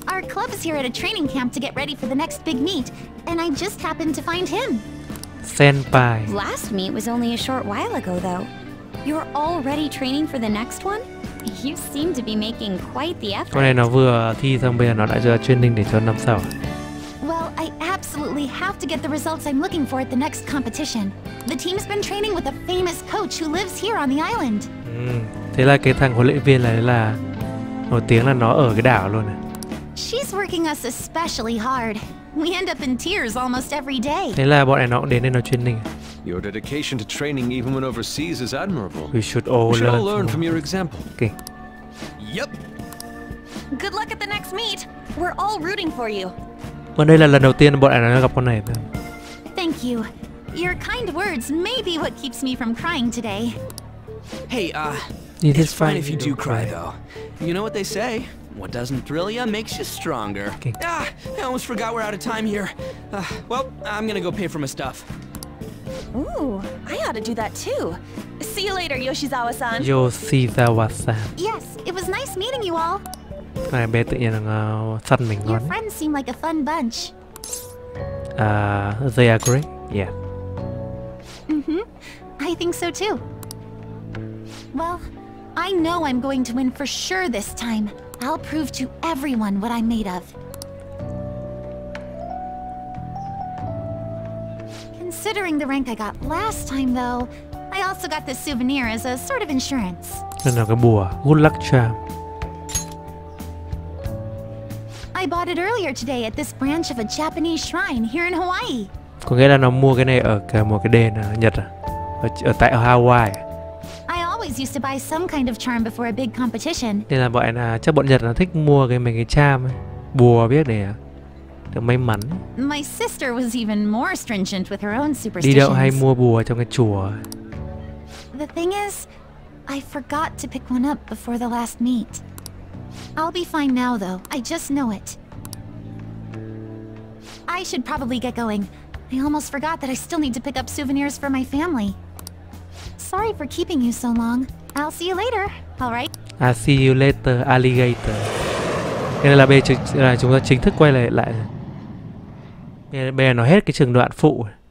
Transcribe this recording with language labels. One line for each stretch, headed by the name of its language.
English: Our club is here at a training camp to get ready for the next big meet, and I just happened to find him. Senpai. Last meet was only a short while ago, though. You're already training for the next one? You seem to be making quite the effort.
Vietnamese: Con này nó vừa thi xong bây giờ nó đã cho training để cho năm sau.
English: Well, I absolutely have to get the results I'm looking for at the next competition. The team's been training with a famous coach who lives here on the island.
Vietnamese: Thế là cái thằng huấn luyện viên này là nổi tiếng là nó ở cái đảo luôn.
English: She's working us especially hard. We end up in tears almost every day.
Vietnamese: Thế là bọn em nó cũng đến đây nó training.
English: Your dedication to training even when overseas is admirable. We should all, learn from your example. Okay. Yep. Good luck at the next meet. We're all rooting for you.
Vietnamese: Còn đây là lần đầu tiên bọn em nó gặp con này.
English: Thank you. Your kind words may be what keeps me from crying today. Hey, it's fine if you do cry though. You know what they say. What doesn't thrill you makes you stronger. Okay. Ah, I almost forgot we're out of time here. Well, I'm gonna go pay for my stuff. Ooh, I ought to do that too. See you later, Yoshizawa-san. Yoshizawa-san. Yes, it was nice meeting you all.
Vietnamese: Này, bé tự nhiên là săn mình ngon.
English: Your friends seem like a fun bunch. They agree? Yeah. Mm-hmm. I think so too. Well, I know I'm going to win for sure this time. I'll prove to everyone what I'm made of. Considering the rank I got last time though, I also got this souvenir as a sort of insurance.
Vietnamese: Nên là cái bùa,
English: good luck charm. I bought it earlier today at this branch of a Japanese shrine here in Hawaii.
Vietnamese: Có nghĩa là nó mua cái này ở một cái đền ở Nhật ở tại Hawaii.
English: Used to buy some kind of charm before a big competition.
Vietnamese: Nên là bọn chắc bọn Nhật nó thích mua cái mấy cái charm bùa biết để được may mắn.
English: My sister was even more stringent with her own superstitions.
Vietnamese: Đi đâu hay mua bùa trong cái chùa.
English: The thing is, I forgot to pick one up before the last meet. I'll be fine now though. I just know it. I should probably get going. I almost forgot that I still need to pick up souvenirs for my family. Sorry for keeping you so long. I'll see you later. Alright. I'll see you later, alligator.
Vietnamese: Thế là bây giờ chúng ta chính thức quay lại lại. Bây giờ nó hết cái trường đoạn phụ.